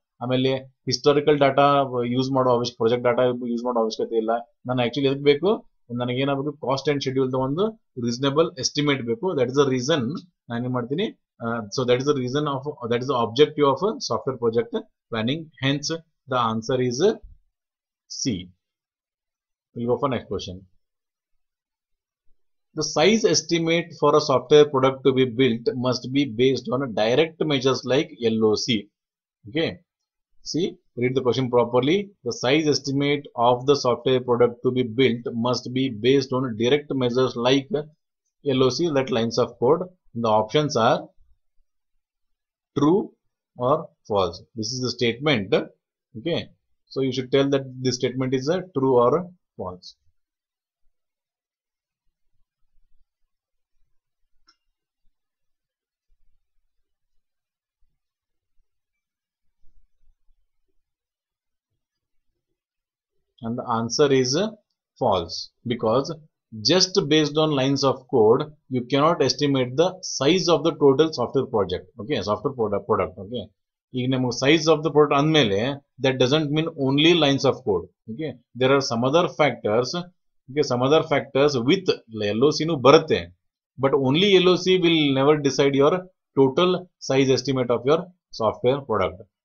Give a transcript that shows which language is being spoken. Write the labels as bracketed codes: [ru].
[kn] ಆಮೇಲೆ historical data use ಮಾಡೋ ಅವಶ್ಯಕ ಪ್ರಾಜೆಕ್ಟ್ ಡಾಟಾ ಯೂಸ್ ಮಾಡೋ ಅವಶ್ಯಕತೆ ಇಲ್ಲ. ನಾನು ಆಕ್ಚುಲಿ ಎದಕ್ಕೆ ಬೇಕು, ನನಗೇನಾದ್ರು ಕಾಸ್ಟ್ ಅಂಡ್ ಶೆಡ್ಯೂಲ್ದ ಒಂದು ರೀಸನೇಬಲ್ ಎಸ್ಟಿಮೇಟ್ ಬೇಕು. [en] that is a reason [kn] ನಾನು ಏನ್ ಮಾಡ್ತೀನಿ, [en] So that is a reason of that is a objective of software project planning. Hence the answer is C. We'll go for next question. The size estimate for a software product to be built must be based on direct measures like LOC. Okay, see, read the question properly. The size estimate of the software product to be built must be based on direct measures like LOC, that lines of code. And the options are true or false. This is the statement. Okay, so you should tell that this statement is true or false. False. And the answer is false, because just based on lines of code, you cannot estimate the size of the total software project. Okay, software product. Okay, [kn] ಈಗ ನಮಗೆ [en] Size of the product ಅಂದ್ಮೇಲೆ that doesn't mean only lines of code. Okay, there are some other factors, some other factors with ಎಲ್ಲೋ ಸಿನು [kn] ಬರುತ್ತೆ, [en] But only L O C will never decide your total size estimate of your software product.